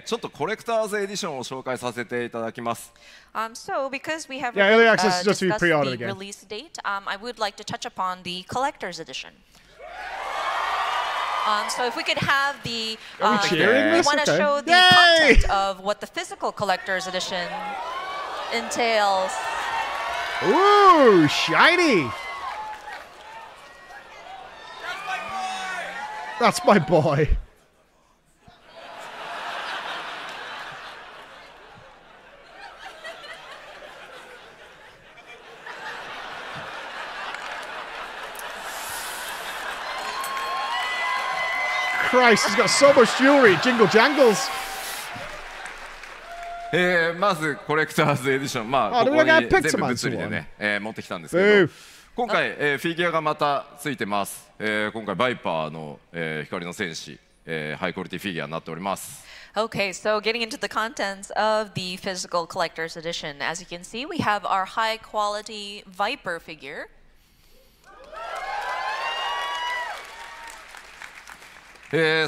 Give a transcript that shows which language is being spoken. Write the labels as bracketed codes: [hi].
[ja] さあでは、リリース日、それからアーリーアクセスの日付を発表したので、ちょっとコレクターズエディションを紹介させていただきます。 [en] So because we have yeah, early access is just to be pre-ordered the again. Release date, I would like to touch upon the collector's edition. So if we could have the show the content of what the physical collector's edition entails. Ooh, shiny. That's my boy. Christ, he's got so much jewelry, jingle jangles. [ja] まずコレクターズエディション、まあここに物理でね、持ってきたんですけど、今回フィギュアがまたついてます。 [en] Okay, so getting into the contents of the physical collector's edition. As you can see, we have our high quality Viper figure.